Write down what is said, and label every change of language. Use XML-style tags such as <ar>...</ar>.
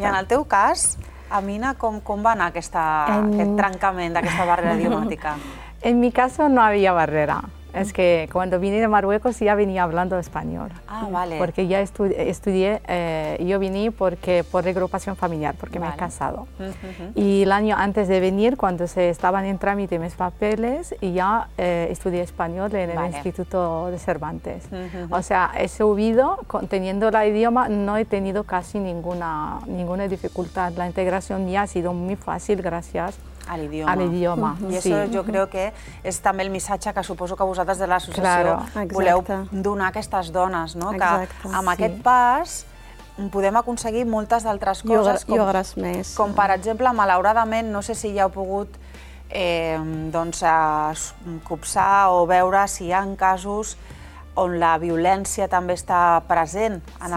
<ca>I en el teu cas, Amina, com va anar aquest trencament d'aquesta barrera idiomàtica?</ca> <es>En mi caso no había barrera. Es que cuando vine de Marruecos ya venía hablando español. Ah, vale. Porque ya estudié, yo vine porque por reagrupación familiar, porque vale. Me he casado. Uh-huh. Y el año antes de venir, cuando se estaban en trámite mis papeles, ya estudié español en el Instituto de Cervantes. Uh-huh. O sea, he subido, teniendo el idioma, no he tenido casi ninguna dificultad. La integración ya ha sido muy fácil, gracias. Al idioma. Uh-huh.</es> <ca>I això sí. Jo crec que és també el missatge que suposo que vosaltres de l'associació claro. Voleu donar a aquestes dones, no? Exacte, que amb sí. aquest pas podem aconseguir moltes altres coses. I hores més. Com per exemple, malauradament, no sé si ja heu pogut doncs, copsar o veure si hi ha casos on la violència també està present en sí.</ca>